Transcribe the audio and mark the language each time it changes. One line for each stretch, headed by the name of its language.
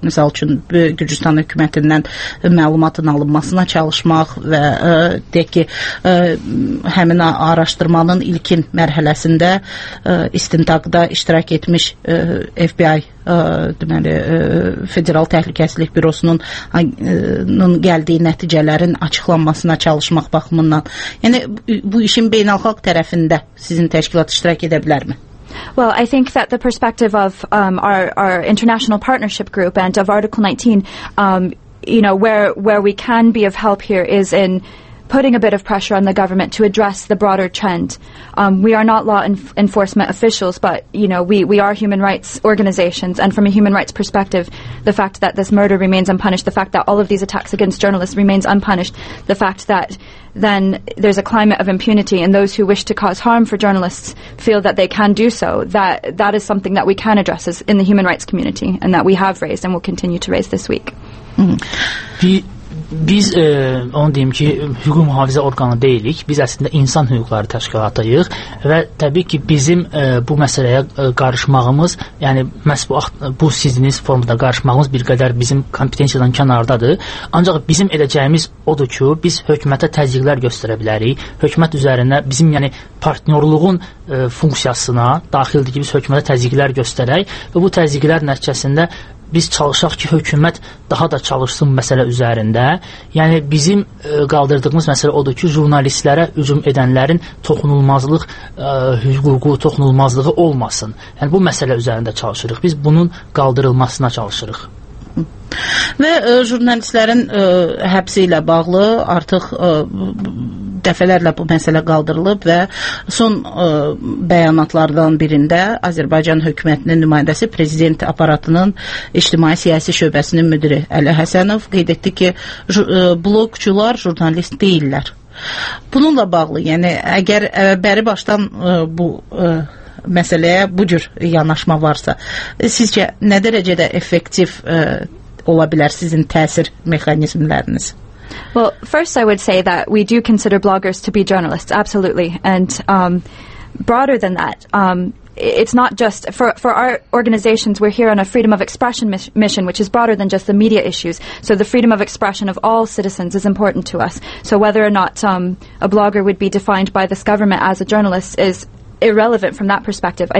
Azerbaijani: Məsəl üçün Gürcüstan hökumətindən məlumatın alınmasına çalışmaq və deyək ki, həmin araşdırmanın ilkin mərhələsində istintaqda iştirak etmiş FBI deməli Federal Təhlükəsizlik Bürosunun gəldiyi nəticələrin açıqlanmasına çalışmaq baxımından. Yəni bu işin beynəlxalq tərəfində sizin təşkilat iştirak edə bilərmi?
English: Well, I think that the perspective of our international partnership group and of Article 19 you know where we can be of help here is in putting a bit of pressure on the government to address the broader trend. We are not law enforcement officials, but, you know, we are human rights organizations. And from a human rights perspective, the fact that this murder remains unpunished, the fact that all of these attacks against journalists remains unpunished, the fact that then there's a climate of impunity and those who wish to cause harm for journalists feel that they can do so, that is something that we can address as in the human rights community and that we have raised and will continue to raise this week.
Azerbaijani: Biz onu deyim ki, hüquq mühafizə orqanı deyilik. Biz əslində insan hüquqları təşkilatıyıq və təbii ki, bizim bu məsələyə qarışmağımız, yəni məhz bu sizinin formada qarışmağımız bir qədər bizim kompetensiyadan kənardadır. Ancaq bizim edəcəyimiz odur ki, biz hökumətə təzyiqlər göstərə bilərik. Hökumət üzərinə bizim yəni partnyorluğun funksiyasına daxildir ki, biz hökumətə təzyiqlər göstərək və bu təzyiqlər nəticəsində biz çalışaq ki, hökumət daha da çalışsın məsələ üzərində. Yəni, bizim qaldırdığımız məsələ odur ki, jurnalistlərə hücum edənlərin toxunulmazlıq hüququ, toxunulmazlığı olmasın. Yəni, bu məsələ üzərində çalışırıq. Biz bunun qaldırılmasına çalışırıq. Və jurnalistlərin həbsi ilə bağlı artıq dəfələrlə bu məsələ qaldırılıb və son bəyanatlardan birində Azərbaycan hökumətinin nümayəndəsi Prezident aparatının ictimai-siyasi şöbəsinin müdiri Əli Həsənov qeyd etdi ki, blokçular jurnalist deyillər. Bununla bağlı, yəni əgər bəri başdan bu məsələyə bu cür yanaşma varsa, sizcə nə dərəcədə effektiv ola bilər sizin təsir mexanizmləriniz?
English: Well, first I would say that we do consider bloggers to be journalists, absolutely. And broader than that, it's not just for our organizations, we're here on a freedom of expression mission, which is broader than just the media issues. So the freedom of expression of all citizens is important to us. So whether or not a blogger would be defined by this government as a journalist is irrelevant from that perspective.